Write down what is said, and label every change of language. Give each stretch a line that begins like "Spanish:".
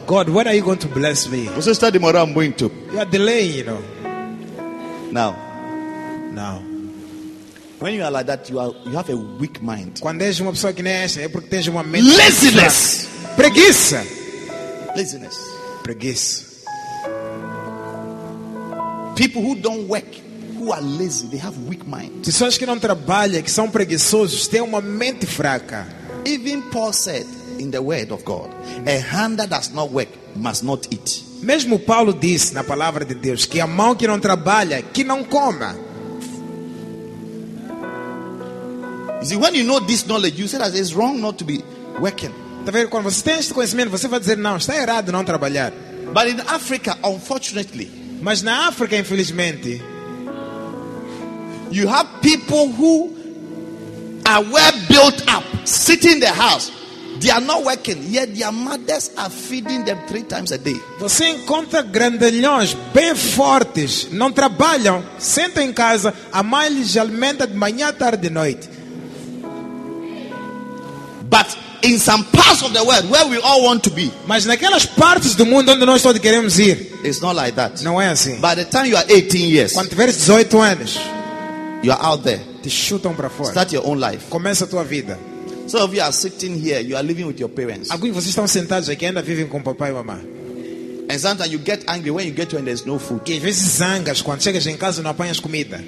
English: God, when are you going to bless me?
Portuguese: Você está demorando muito.
English: You are delaying, you know. Now. Now. When you are like that, you have a weak mind.
Portuguese: Quando és uma pessoa que nem essa, é porque tens uma mente.
English: Laziness.
Portuguese: Preguiça.
English: Laziness.
Portuguese: Preguiça.
English: People who don't work, who are lazy, they have weak minds.
Portuguese: Pessoas que não trabalham, que são preguiçosos, têm uma mente fraca.
English: Even Paul said in the word of God, a hand that does not work must not eat.
Portuguese: Mesmo Paulo disse na palavra de Deus que a mão que não trabalha, que não coma.
English: You see, when you know this knowledge, you say that it's wrong not to be working.
Portuguese: Tá vendo? Quando você tem este conhecimento, você vai dizer, não, está errado não trabalhar.
English: But in Africa, unfortunately,
Portuguese: mas na África, infelizmente,
English: you have people who are well built up, sitting in the house. They are not working, yet their mothers are feeding them three times a day.
Portuguese: Você encontra grandalhões bem fortes, não trabalham, sentam em casa, a mãe lhes alimenta de manhã, tarde e noite.
English: But in some parts of the world where we all want to be,
Portuguese: mas naquelas partes do mundo onde nós todos queremos ir,
English: it's not like that.
Portuguese: Não é assim.
English: By the time you are 18 years,
Portuguese: quando tiveres 18 anos,
English: you are out there.
Portuguese: Te chutam para fora.
English: Start your own life.
Portuguese: Começa a tua vida.
English: Some of you are sitting here, you are living with your parents.
Portuguese: Alguns de vocês estão sentados aqui ainda vivem com papai e mamãe.
English: And sometimes you get angry when you get home and there's no food.
Portuguese: Às vezes zangas quando chegas em casa e não apanhas comida.